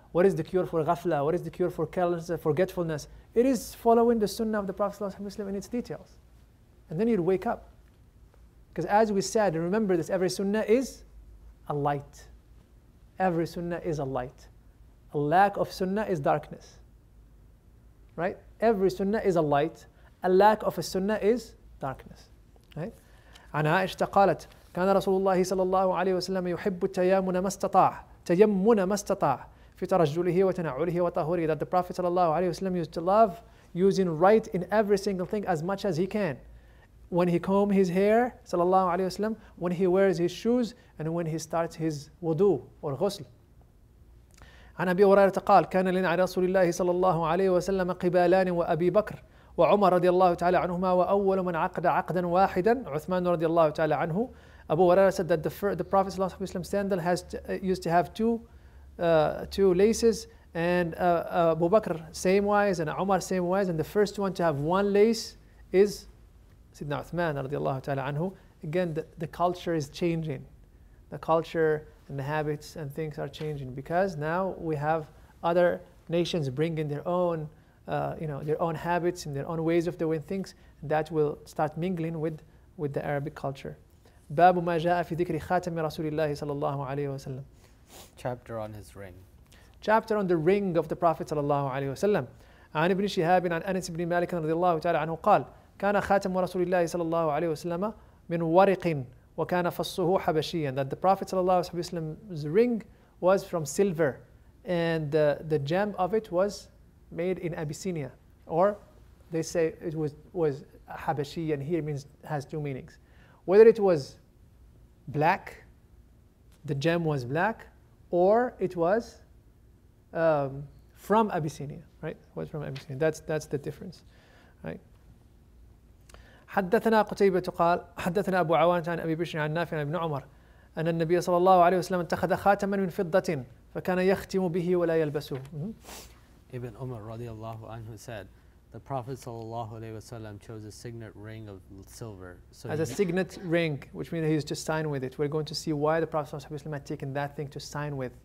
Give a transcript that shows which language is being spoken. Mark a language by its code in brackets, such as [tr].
[en] What is the cure for ghafla? What is the cure for carelessness, forgetfulness? It is following the sunnah of the Prophet ﷺ in its details. And then you'd wake up. Because as we said, and remember this, every sunnah is a light. Every sunnah is a light. A lack of sunnah is darkness. Right? Every sunnah is a light. A lack of a sunnah is darkness. Right? [ar] عن عائشة قالت كان رسول الله صلى الله عليه وسلم يحب التيامن ما استطاع تيمن ما استطاع في ترجله وتنعله وطهوره, [en] that the Prophet sallallahu alaihi wasallam used to love using right in every single thing as much as he can. When he comb his hair, sallallahu alaihi wasallam, when he wears his shoes, and when he starts his wudu or ghusl. [ar] عن أبي هريرة قال كان لنا رسول الله صلى الله عليه وسلم قبالان وأبي بكر وعمر رضي الله تعالى عنهما وأول من عقد عقدا واحدا عثمان رضي الله تعالى عنه. [en] Abu Huraira said that the Prophet sallallahu alaihi wasallam sandal used to have two laces, and Abu Bakr same wise, and Umar same wise, and the first one to have one lace is Sayyidina Uthman radiallahu ta'ala anhu. Again, the culture is changing. the culture and the habits and things are changing, because now we have other nations bringing their own, you know, their own habits and their own ways of doing things that will start mingling with the Arabic culture. [ar] باب ما جاء في ذكر خاتم رسول الله صلى الله عليه وسلم. [en] Chapter on his ring. Chapter on the ring of the Prophet صلى الله عليه وسلم. [ar] عن ابن شهاب عن أنس بن مالك رضي الله تعالى عنه قال كان خاتم رسول الله صلى الله عليه وسلم من ورق وكان فصه حبشيا. [en] That the Prophet صلى الله عليه وسلم's ring was from silver, and the gem of it was made in Abyssinia, or they say it was حبشيا. Here means has two meanings. Whether it was black, the gem was black, or it was from Abyssinia, right? Was from Abyssinia. That's the difference, right? [ar] حدثنا قتيبة قال حدثنا أبو عوانة عن أبي بشر عن نافع عن ابن عمر أن النبي صلى الله عليه وسلم اتخذ خاتما من فضة فكان يختم به ولا يلبسه. [en] Ibn Umar رضي الله عنه said the Prophet صلى الله عليه وسلم chose a signet ring of silver. So as a signet ring, which means he used to sign with it. We're going to see why the Prophet صلى الله عليه وسلم had taken that thing to sign with.